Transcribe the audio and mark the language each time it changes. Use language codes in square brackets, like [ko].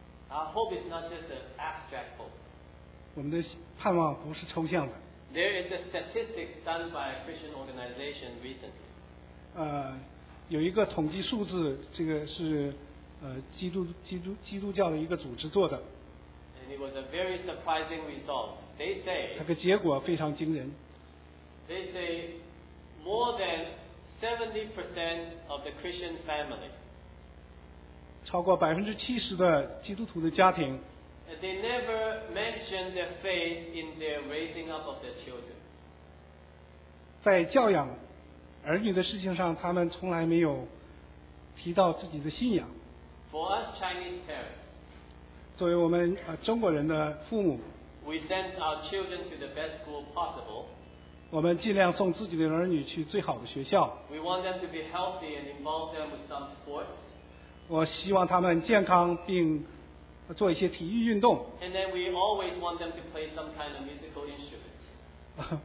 [en] Our hope is not just an abstract hope. [zh] 我们的盼望不是抽象的。 [en] There is a statistic done by a Christian organization recently. [zh] 有一个统计数字，这个是基督教的一个组织做的。 [en] and it was a very surprising result. They say, [zh] 这个结果非常惊人。 [en] They say more than 70% of the Christian family. [zh] 超过70%的基督徒的家庭。 [en] They never mentioned their faith in their raising up of their children. [zh] 在教养儿女的事情上，他们从来没有提到自己的信仰。 [en] For us Chinese parents, [zh] 作为我们中国人的父母， [en] we send our children to the best school possible. [zh] 我们尽量送自己的儿女去最好的学校。 [en] We want them to be healthy and involve them with some sports. [zh] 我希望他们健康并做一些体育运动。 [en] And then we always want them to play some kind of musical instrument.